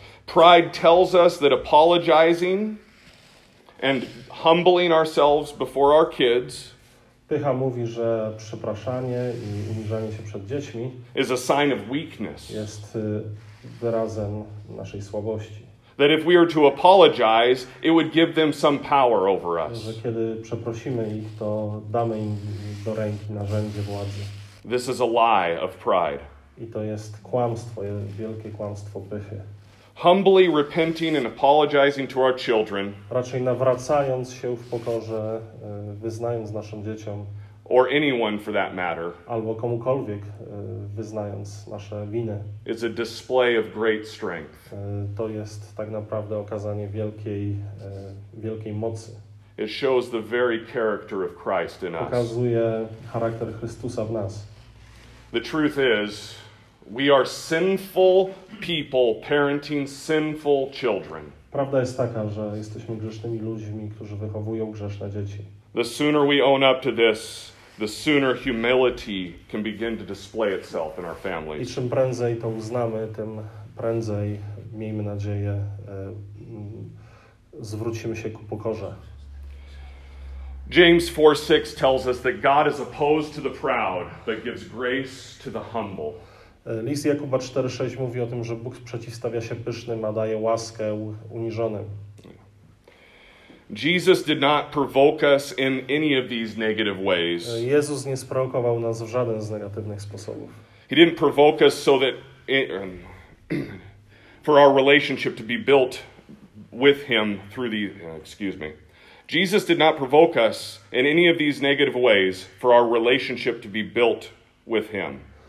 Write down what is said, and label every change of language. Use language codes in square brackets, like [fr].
[en] Pride tells us that apologizing and humbling ourselves before our kids, [pl] pycha mówi, że przepraszanie i uniżanie się przed dziećmi, [en] is a sign of weakness. [pl] Jest wyrazem naszej słabości. [en] That if we are to apologize, it would give them some power over us. [pl] Że kiedy przeprosimy ich, to damy im do ręki narzędzie władzy. [en] This is a lie of pride. [pl] I to jest kłamstwo, wielkie kłamstwo pychy. [en] Humbly repenting and apologizing to our children. [pl] Raczej nawracając się w pokorze, wyznając naszym dzieciom. [en] Or anyone for that matter. [pl] Albo komukolwiek, wyznając nasze winy. [en] It's a display of great strength. [pl] To jest tak naprawdę okazanie wielkiej mocy. [en] It shows the very character of Christ in us. [pl] Pokazuje charakter Chrystusa w nas. [en] The truth is, we are sinful people parenting sinful children. [pl] Prawda jest taka, że jesteśmy grzesznymi ludźmi, którzy wychowują grzeszne dzieci. [en] The sooner we own up to this, the sooner humility can begin to display itself in our families. [pl] I czym prędzej to uznamy, tym prędzej, miejmy nadzieję, zwrócimy się ku pokorze. [en] James 4:6 tells us that God is opposed to the proud, but gives grace to the humble. [pl] List Jakuba 4:6 mówi o tym, że Bóg przeciwstawia się pysznym, a daje łaskę uniżonym. [en] Jesus did not provoke us in any of these negative ways. [pl] Jezus nie sprowokował nas w żaden z negatywnych sposobów. [en] He didn't provoke us so that for our relationship to be built with him through the excuse me. Jesus did not provoke us in any of these negative ways for our relationship to be built with him.